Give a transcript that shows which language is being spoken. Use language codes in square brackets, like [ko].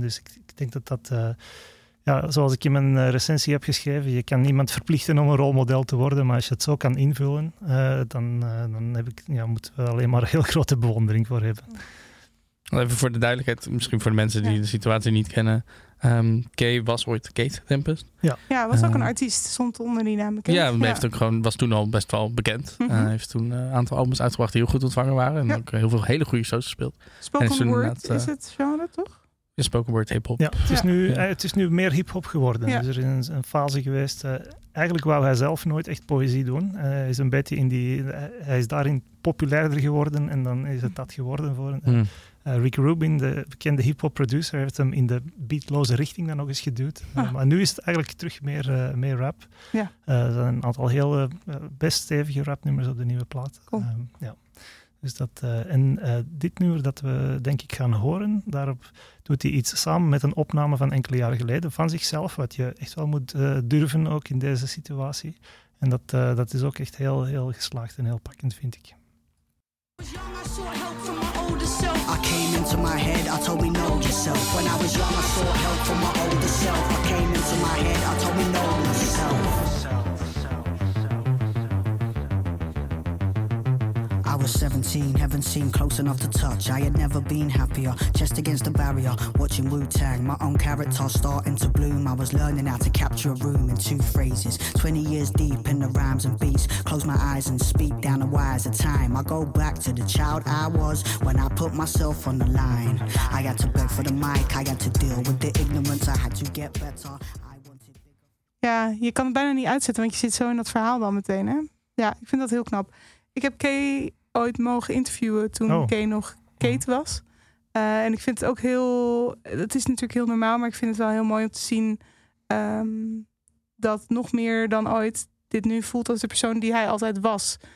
[nl] Dus ik denk dat zoals ik in mijn recensie heb geschreven, je kan niemand verplichten om een rolmodel te worden, maar als je het zo kan invullen, dan heb ik, moeten we alleen maar heel grote bewondering voor hebben. Even voor de duidelijkheid, misschien voor de mensen die de situatie niet kennen. Kay was ooit Kate Tempest. Ja, was ook een artiest, stond onder die naam bekend. Ja, heeft ook gewoon, was toen al best wel bekend. Hij heeft toen een aantal albums uitgebracht die heel goed ontvangen waren. En ook heel veel hele goede shows gespeeld. Spoken word is het genre, toch? Ja, spoken word hip-hop. Ja, het is nu meer hip-hop geworden. Ja. Dus er is een fase geweest. Eigenlijk wou hij zelf nooit echt poëzie doen. Hij is een beetje hij is daarin populairder geworden en dan is het dat geworden voor een. Rick Rubin, de bekende hip-hop producer, heeft hem in de beatloze richting dan nog eens geduwd. Maar nu is het eigenlijk terug meer rap. Ja. Er zijn een aantal heel best stevige rapnummers op de nieuwe plaat. Cool. Dus dit nummer dat we denk ik gaan horen, daarop doet hij iets samen met een opname van enkele jaren geleden van zichzelf, wat je echt wel moet durven ook in deze situatie. En dat is ook echt heel, heel geslaagd en heel pakkend, vind ik. [en] I came into my head, I told me know yourself. When I was young, I sought help from my older self. I came into my head, I told me know yourself. I was 17, heaven seemed close enough to touch. I had never been happier, chest against the barrier, watching Wu-Tang, my own character starting to bloom. I was learning how to capture a room in 2 phrases, 20 years deep in the rhymes and beats. Close my eyes and speak down the wires of time. I go back to the child I was when I put myself on the line. I had to beg for the mic, I had to deal with the ignorance, I had to get better. [nl] Ja, je kan het bijna niet uitzetten, want je zit zo in dat verhaal dan meteen, hè? Ja, ik vind dat heel knap. Ik heb Kay ooit mogen interviewen toen Kay nog Kate was. En ik vind het ook heel, het is natuurlijk heel normaal, maar ik vind het wel heel mooi om te zien dat nog meer dan ooit dit nu voelt als de persoon die hij altijd was.